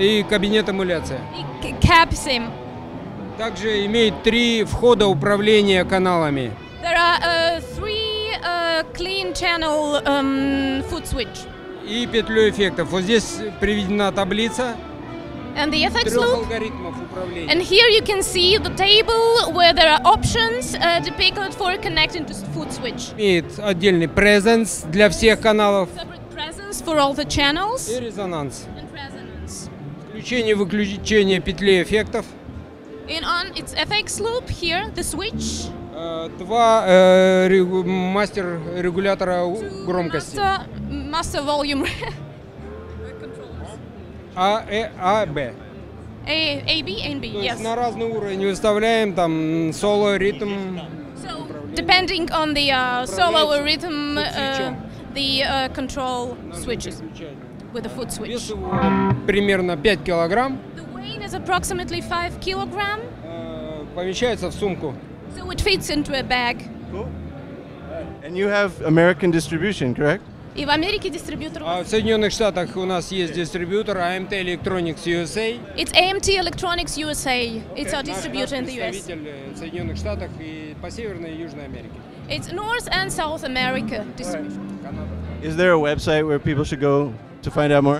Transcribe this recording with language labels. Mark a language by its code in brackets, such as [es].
[ru] И кабинет эмуляции. [en] Cab sim. [ru] Также имеет три входа управления каналами. [en] There are three clean channel foot switch. [ru] И петлю эффектов. Вот здесь приведена таблица. [en] and the FX loop. And here you can see the table where there are options depicted for connecting to foot switch. [ru] Имеет отдельный presence для всех каналов. [en] Separate presence for all the channels. [ru] И резонанс. [en] And resonance. [ru] Включение-выключение петли эффектов. [en] And on its FX loop here, the switch. [ru] Два мастер регулятора громкости. [en] Master volume. [ru] А, Б. [en] А, Б, and Б, yes. [ru] На разный уровень выставляем, там, соло, ритм. [en] So, depending on the solo or rhythm, the control switches with the foot switch. [ru] Вес его примерно 5 килограмм. [en] The weight is approximately 5 kilogram. [ru] Помещается в сумку. [en] So it fits into a bag. Cool. And you have American distribution, correct? [ru] И в Америке дистрибьютор. А в Соединенных Штатах у нас есть дистрибьютор AMT Electronics USA. [en] It's AMT Electronics USA. It's our distributor in the US. [ru] Представитель в Соединенных Штатах и по Северной и Южной Америке. [en] It's North and South America distribution. Is there a website where people should go to find out more?